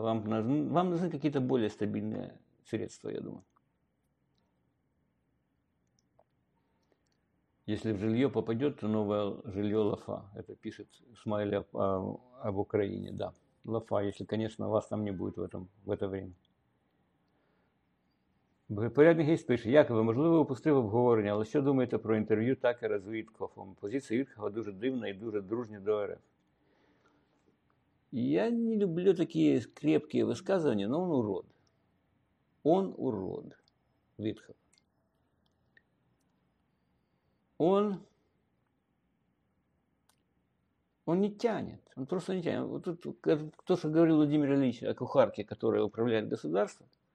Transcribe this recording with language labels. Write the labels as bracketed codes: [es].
[ru] Вам нужны какие-то более стабильные средства, я думаю. Если в жилье попадет, то новое жилье лафа. Это пишет Смайли об Украине. Да, лафа, если, конечно, вас там не будет в это время. Порядник есть, пишет. Якобы, [uk] можливо, упустив обговорення, але що думаєте про інтерв'ю Такера з Вітковом? Позиція Вітхова дуже дивна і дуже дружня до РФ. [ru] Я не люблю такие крепкие высказывания, но он урод. Он урод. Витхов. Он Он не тянет, он просто не тянет. Вот тут, кто-то говорил Владимир Ильич о кухарке, которая управляет государством.